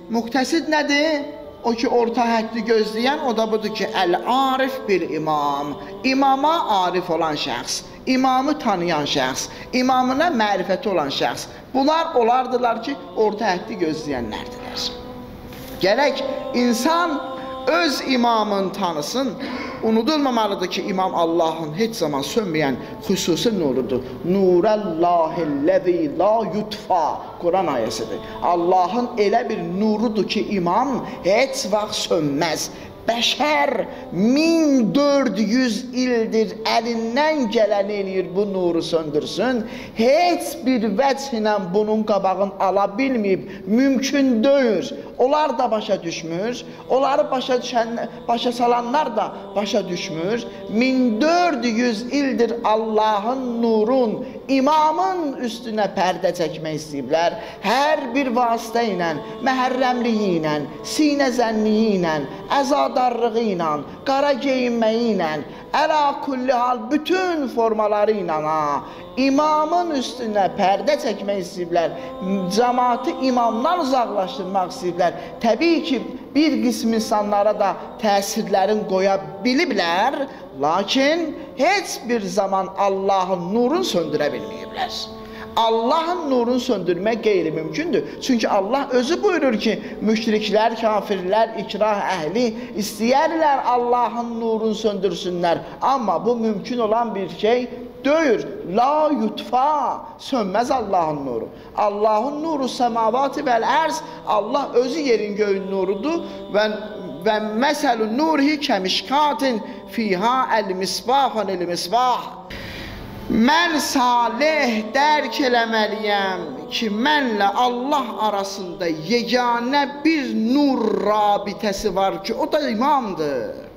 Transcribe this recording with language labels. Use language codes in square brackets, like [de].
[az] Muqtəsid nədir? O ki, orta həddi gözləyən, o da budur ki, [ar] əl-arif bil imam. [az] İmama arif olan şəxs, imamı tanıyan şəxs, imamına mərifəti olan şəxs. Bunlar olardılar ki, orta həddi gözləyənlərdilər. Gərək insan öz imamını tanısın. Unudulmamalıdır ki, imam Allahın heç zaman sönməyən xüsusi nurudur. [ar] Nurəllahilləzi la yutfa. [az] Quran ayəsidir. Allahın elə bir nurudur ki, imam heç vaxt sönməz. Bəşər 1400 ildir əlindən gələn eləyir bu nuru söndürsün. Heç bir vəchinə bunun qabağını ala bilməyib. Mümkün deyil. onlar da başa düşmür. Onları başa düşen, başa salanlar da başa düşmür. 1400 ildir Allah'ın nurun, imamın üstünə pərdə çəkmək istəyiblər. Hər bir vasitə ilə, məhərrəmliyi ilə, sinə zənniyi ilə, əzadarlığı ilə, qara geyinməyi ilə, ələ kulli hal bütün formaları ilə imamın üstünə pərdə çəkmək istəyiblər. Cəmaatı imamdan uzaqlaşdırmaq istəyiblər. Təbii ki, bir qism insanlara da təsirlərin qoya biliblər, lakin heç bir zaman Allahın nurunu söndürə bilməyiblər. Allahın nurunu söndürmək qeyri-mümkündür. Çünki Allah özü buyurur ki, müşriklər, kafirlər, ikrah əhli istəyərlər Allahın nurunu söndürsünlər. Amma bu mümkün olan bir şey deyil. [ar] La yutfa, [az] sönməz Allahın nuru. Allahın nuru [ar] səmavati vəl ərz, [az] Allah özü yerin göyün nurudur. [ar] Və məsəlu nurhi kəmişkatin fiha əl-misbahun əl-misbah. [az] Mən salih dərk eləməliyəm ki, mənlə Allah arasında yeganə bir nur rabitəsi var ki, o da imamdır.